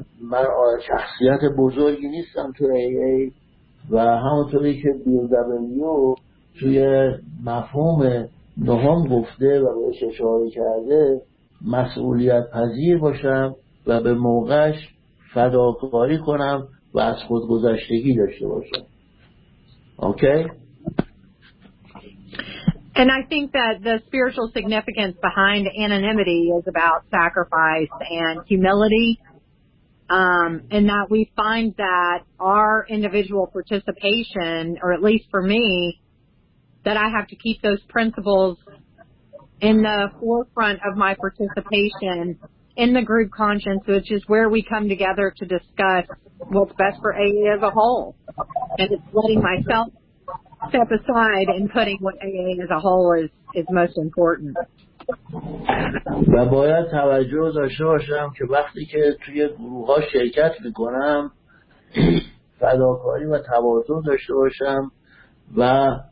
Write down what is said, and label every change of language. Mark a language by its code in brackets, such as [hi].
[fa] من شخصیت بزرگی نیستم تو AA، و همونطوری که بیل دبلیو توی مفهوم نهم گفته و بهش اشاره کرده، مسئولیت پذیر باشم و به موقعش فداکاری کنم و از خودگذشتگی داشته باشم. [en] Okay. And I think that the spiritual significance behind anonymity is about sacrifice and humility, and that we find that our individual participation, or at least for me, that I have to keep those principles in the forefront of my participation in the group conscience, which is where we come together to discuss what's best for AA as a whole. And it's letting myself step aside and putting what AA as a whole is most important. [fa] و باید توجه داشته باشم که وقتی که توی گروه ها شرکت میکنم فداکاری و تواضع داشته باشم و